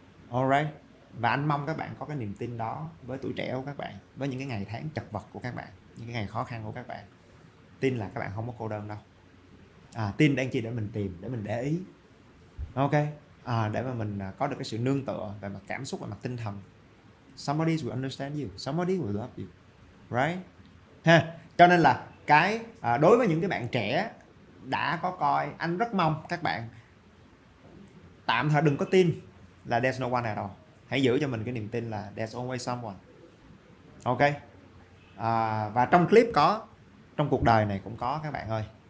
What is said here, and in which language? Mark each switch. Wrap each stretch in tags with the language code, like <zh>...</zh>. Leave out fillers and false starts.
<vi>Alright, và anh mong các bạn có cái niềm tin đó với tuổi trẻ của các bạn, với những cái ngày tháng chật vật của các bạn, những cái ngày khó khăn của các bạn, tin là các bạn không có cô đơn đâu. À, tin đang chi để mình tìm, để mình để ý. Ok, à, để mà mình có được cái sự nương tựa về mặt cảm xúc, về mặt tinh thần.</vi> <en>Somebody will understand you, somebody will love you, right? Ha.</en> <vi>Cho nên là cái đối với những cái bạn trẻ đã có coi, anh rất mong các bạn tạm thời đừng có tin là</vi> <en>there's no one at all.</en> <vi>Hãy giữ cho mình cái niềm tin là</vi> <en>there's always someone.</en> <vi>Ok, và trong clip có, trong cuộc đời này cũng có các bạn ơi.</vi>